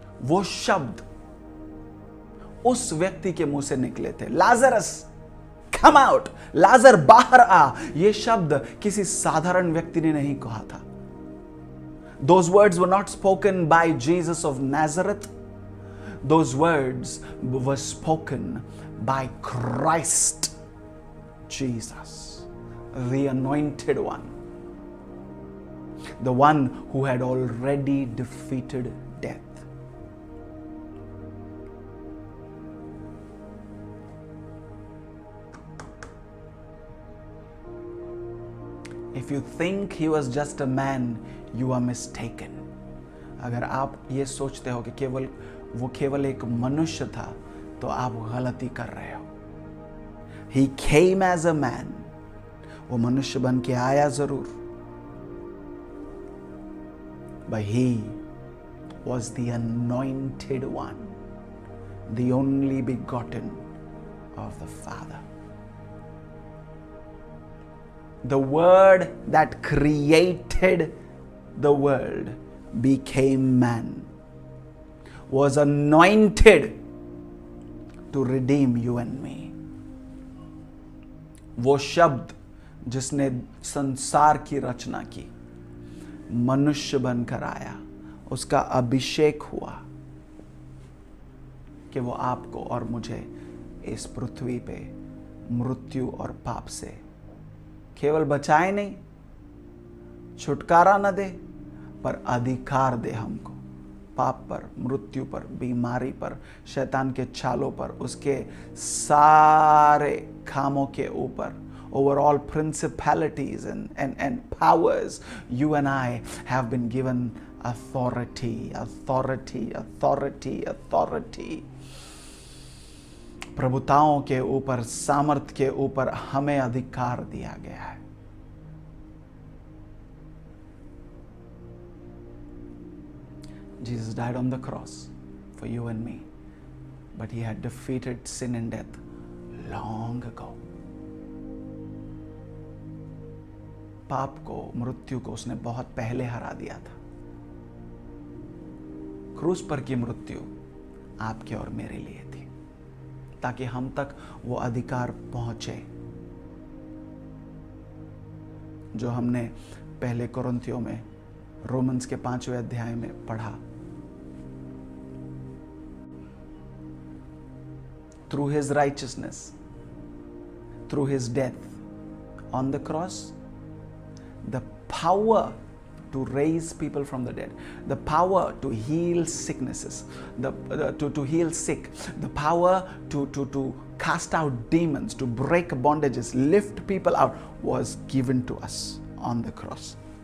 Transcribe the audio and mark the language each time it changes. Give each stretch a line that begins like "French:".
Hindi: वो शब्द उस व्यक्ति के मुंह से निकले थे.
English: Lazarus, come out. Lazar,
Hindi: बाहर आ. ये शब्द किसी साधारण व्यक्ति ने नहीं कहा था.
English: Those words were not spoken by Jesus of Nazareth. Those words were spoken by Christ Jesus, the anointed one, the one who had already defeated death. If you think he was just a man, you are mistaken.
Hindi: अगर आप ये सोचते हो कि केवल वो केवल एक मनुष्य था, तो आप गलती कर रहे हो.
English: He came as a man.
Hindi: वो मनुष्य बन के आया जरूर.
English: But he was the anointed one, the only begotten of the Father. The word that created the world became man, was anointed to redeem you and me.
Hindi: वो शब्द जिसने संसार की रचना की, मनुष्य बनकर आया, उसका अभिषेक हुआ कि वो आपको और मुझे इस पृथ्वी पे मृत्यु और पाप से केवल बचाए नहीं, छुटकारा न दे, पर अधिकार दे हमको पाप पर, मृत्यु पर, बीमारी पर, शैतान के चालों पर, उसके सारे कामों के ऊपर.
English: Over all principalities and powers, you and I have been given authority.
Hindi: प्रभुताओं के ऊपर, सामर्थ के ऊपर हमें अधिकार दिया गया है.
English: Jesus died on the cross for you and me, but he had defeated sin and death long ago.
Hindi: पाप को, मृत्यु को उसने बहुत पहले हरा दिया था. क्रूस पर की मृत्यु आपके और मेरे लिए थी, ताकि हम तक वो अधिकार पहुंचे जो हमने पहले कुरिन्थियों में, रोमन्स के 5वें अध्याय में पढ़ा.
English: Through his righteousness, through his death on the cross, the power to raise people from the dead, the power to heal sicknesses, to heal sick, the power to cast out demons, to break bondages, lift people out, was given to us on the cross.